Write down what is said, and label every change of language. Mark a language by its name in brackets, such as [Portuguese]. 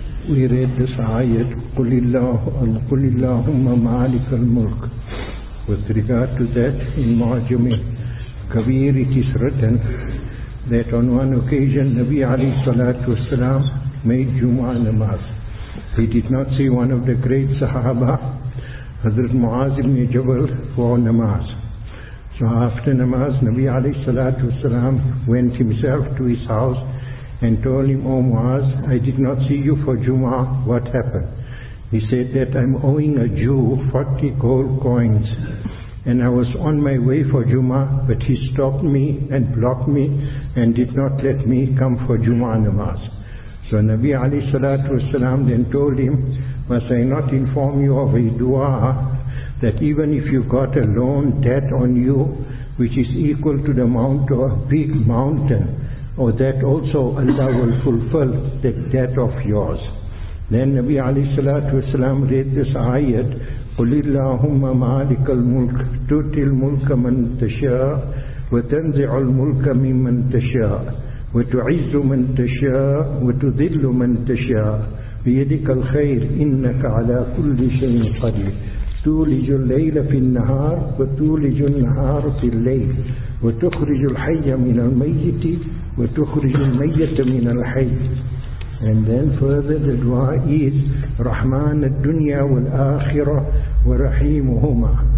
[English] ويريد سعاية قل الله قل اللهم مالك الملك وترقات ذات المعجم كبير كسرة. That on one occasion Nabi [Arabic] عليه الصلاة والسلام [English] made Jum'ah namaz. He did not see one of the great Sahaba Hazrat Mu'az ibn Jabal for namaz. So after namaz, Nabi alayhi salatu wasalam went himself to his house and told him, "O Muaz, I did not see you for Jum'ah. What happened?" He said that, "I'm owing a Jew 40 gold coins, and I was on my way for Jum'ah, but he stopped me and blocked me and did not let me come for Jum'ah namaz." So Nabi alayhi salatu wasalam then told him, "Must I not inform you of a dua that even if you've got a loan debt on you, which is equal to the amount of a big mountain, or that also Allah will fulfill the debt of yours?" Then Nabi alayhi salatu wasalam read this ayat, [Arabic] قُلِ اللَّهُمَّ مَالِكَ الْمُلْكِ تُوْتِ الْمُلْكَ مَنْ تَشَاءُ وَتَنْزِعُ الْمُلْكَ مِمَّنْ تَشَاءُ وَتُعِزُّ مَنْ تَشَاءُ وَتُذِلُّ مَنْ تَشَاءُ بِيَدِكَ الْخَيْرِ إِنَّكَ عَلَى كُلِّ شَيْءٍ قَدِيرٌ تولج الليل في النهار وتولج النهار في الليل وتخرج الحي من الميت وتخرج الميت من الحي. [English] And then further the dua is [Arabic] رحمن الدنيا والآخرة ورحيمهما.